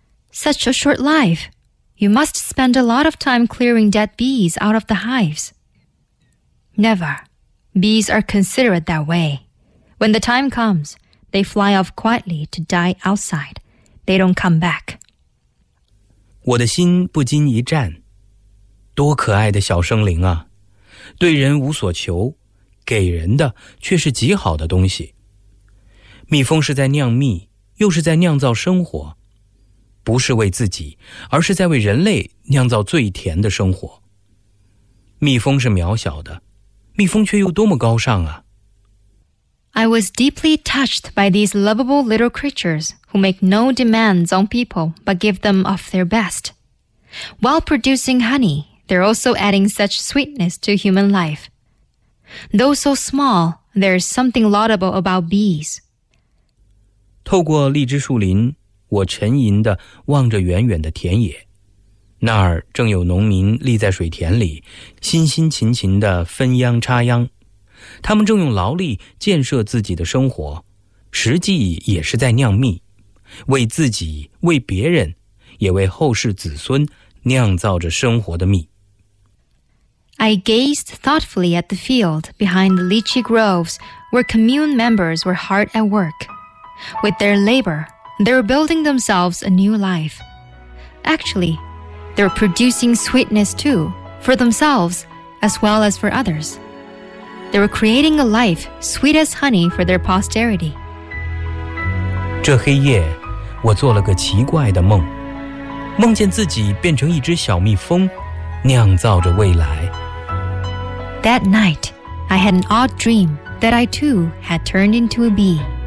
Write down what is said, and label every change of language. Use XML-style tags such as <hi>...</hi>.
<en>Such a short life. You must spend a lot of time clearing dead bees out of the hives. Never. Bees are considerate that way. When the time comes, they fly off quietly to die outside. They don't come back.</en> <zh>我的心不禁一颤，多可爱的小生灵啊，对人无所求，给人的却是极好的东西。蜜蜂是在酿蜜，又是在酿造生活，不是为自己，而是在为人类酿造最甜的生活。蜜蜂是渺小的，蜜蜂却又多么高尚啊。</zh> <en>I was deeply touched by these lovable little creaturesWho make no demands on people but give them of their best. While producing honey, they're also adding such sweetness to human life. Though so small, there's something laudable about bees.</en> <zh>透过荔枝树林，我沉吟地望着远远的田野，那儿正有农民立在水田里，辛辛勤勤地分秧插秧，他们正用劳力建设自己的生活，实际也是在酿蜜。为自己，为别人，也为后世子孙酿造着生活的蜜。</zh> <en>I gazed thoughtfully at the field behind the lychee groves where commune members were hard at work. With their labor, they were building themselves a new life. Actually, they were producing sweetness too, for themselves as well as for others. They were creating a life sweet as honey for their posterity.</en> <zh>这黑夜我做了个奇怪的梦，梦见自己变成一只小蜜蜂，酿造着未来。</zh> <en>That night, I had an odd dream that I too had turned into a bee.</en>